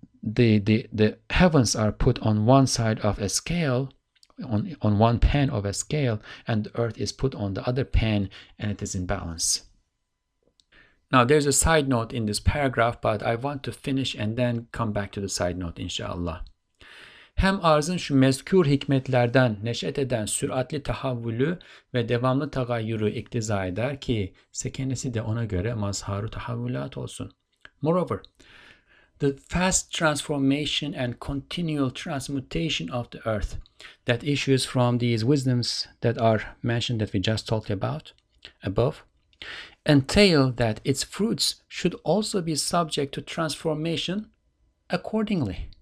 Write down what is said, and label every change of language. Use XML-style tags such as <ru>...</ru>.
<en>the heavens are put on one side of a scale, on one pan of a scale, and the earth is put on the other pan, and it is in balance. Now, there's a side note in this paragraph, but I want to finish and then come back to the side note, inshallah.</en> <tr>Hem arzın şu mezkür hikmetlerden neşet eden süratli tahavvülü ve devamlı tagayyuru iktiza eder ki sekenesi de ona göre mazharu tahavvülat olsun.</tr> <en>Moreover, the fast transformation and continual transmutation of the earth that issues from these wisdoms that are mentioned that we just talked about above entail that its fruits should also be subject to transformation accordingly.</en>